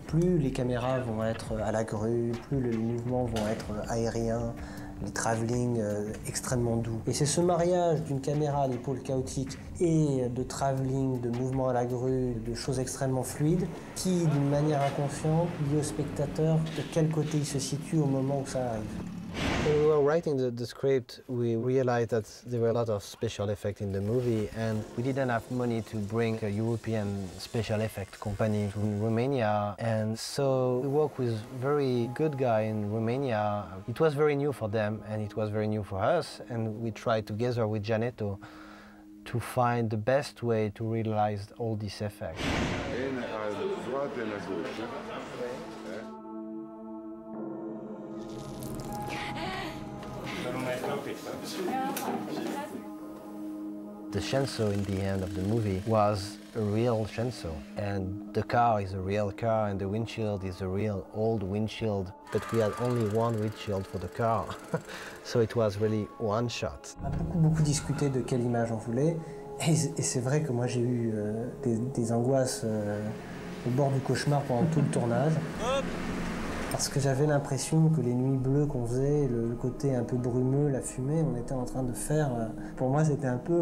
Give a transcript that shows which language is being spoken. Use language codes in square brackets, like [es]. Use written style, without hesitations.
[fr] Plus les caméras vont être à la grue, plus les mouvements vont être aériens, les travelling extrêmement doux. Et c'est ce mariage d'une caméra à l'épaule chaotique et de travelling, de mouvements à la grue, de choses extrêmement fluides, qui, d'une manière inconsciente, dit au spectateur de quel côté il se situe au moment où ça arrive. [en] When we were writing the script, we realized that there were a lot of special effects in the movie, and we didn't have money to bring a European special effect company to Romania. And so we worked with very good guy in Romania. It was very new for them, and it was very new for us. And we tried together with Gianetto to find the best way to realize all these effects. The Shenzhou in the end of the movie was a real Shenzhou, and the car is a real car, and the windshield is a real old windshield, but we had only one windshield for the car, so it was really one shot. [fr] On a beaucoup discuté de quelle image on voulait, et c'est vrai que moi j'ai eu des angoisses au bord du cauchemar pendant tout le tournage, parce que j'avais l'impression que les nuits bleues qu'on faisait, le côté un peu brumeux, la fumée, on était en train de faire... Pour moi, c'était un peu...